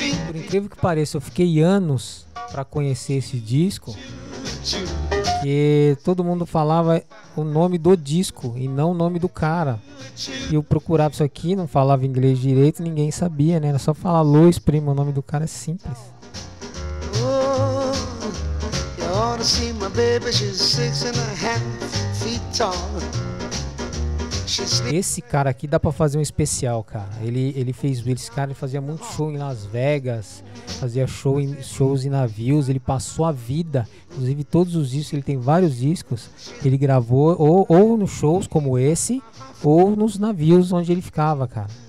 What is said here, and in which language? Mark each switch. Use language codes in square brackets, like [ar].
[pt] Por incrível que pareça, eu fiquei anos pra conhecer esse disco, porque todo mundo falava o nome do disco e não o nome do cara. E eu procurava isso aqui, não falava inglês direito, ninguém sabia, né? Era só falar Louis Prima, o nome do cara é simples. [en] Oh, you ought to see my baby, she's 6½ feet tall. [pt] Esse cara aqui dá pra fazer um especial, cara. Ele fez Will, esse cara, ele fazia muito show em Las Vegas, fazia shows em navios, ele passou a vida, inclusive todos os discos, ele tem vários discos, ele gravou ou nos shows como esse, ou nos navios onde ele ficava, cara.